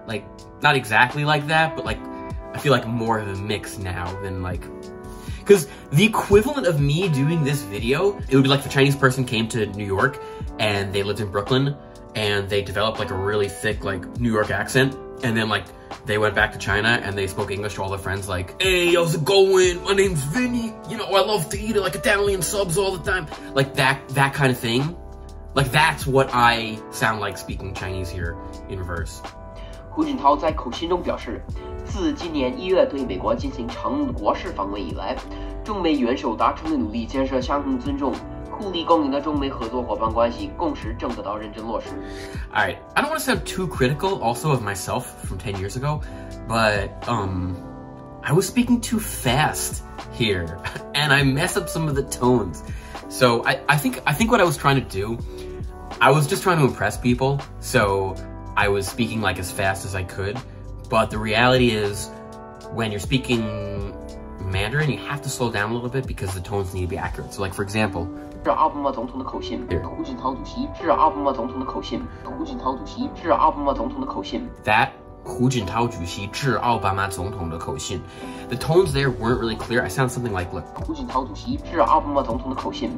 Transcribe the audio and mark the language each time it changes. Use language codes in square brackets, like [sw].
[en] Like, not exactly like that, but like, I feel like more of a mix now than like, because the equivalent of me doing this video, it would be like the Chinese person came to New York and they lived in Brooklyn and they developed like a really thick like New York accent, and then like they went back to China and they spoke English to all their friends like, hey, how's it going? My name's Vinny. You know, I love to eat like Italian subs all the time. Like that kind of thing. Like, that's what I sound like speaking Chinese here in reverse. [zh] 胡锦涛在口信中表示, 自今年一月对美国进行常任国事访问以来，中美元首达成的努力建设相互尊重、互利共赢的中美合作伙伴关系共识正得到认真落实。 [en] Alright, I don't want to sound too critical also of myself from 10 years ago, but, I was speaking too fast here, and I messed up some of the tones. So I think what I was trying to do, I was just trying to impress people, so I was speaking like as fast as I could. But the reality is, when you're speaking Mandarin, you have to slow down a little bit because the tones need to be accurate. So like, for example, [zh] 致奥巴马总统的口信，胡锦涛主席致奥巴马总统的口信，胡锦涛主席致奥巴马总统的口信。 [en] That [zh] 胡锦涛主席致奥巴马总统的口信。 [en] The tones there weren't really clear. I sound something like, look, [zh] 胡锦涛主席致奥巴马总统的口信。